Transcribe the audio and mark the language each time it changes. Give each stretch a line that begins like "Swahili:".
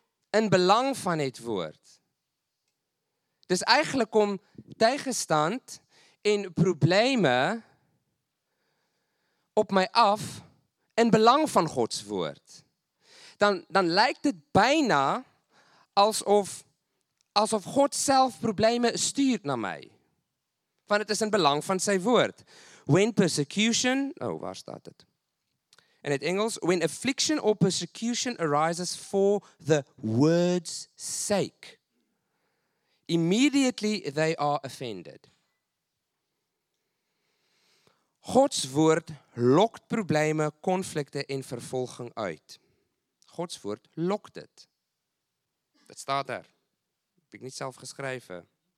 Dutch: In belang van het woord. Dus eigenlijk komt tegenstand in problemen op mij af in belang van Gods woord. Dan lijkt het bijna alsof God zelf problemen stuurt naar mij. Want het is in belang van zijn woord.
English: When persecution,
Dutch: waar staat het? In het Engels,
English: when affliction or persecution arises for the word's sake, immediately they are offended.
Dutch: Gods woord lokt problemen, conflicten en vervolging uit. Gods woord lokt het. Dat staat er. Heb ik niet zelf geschreven.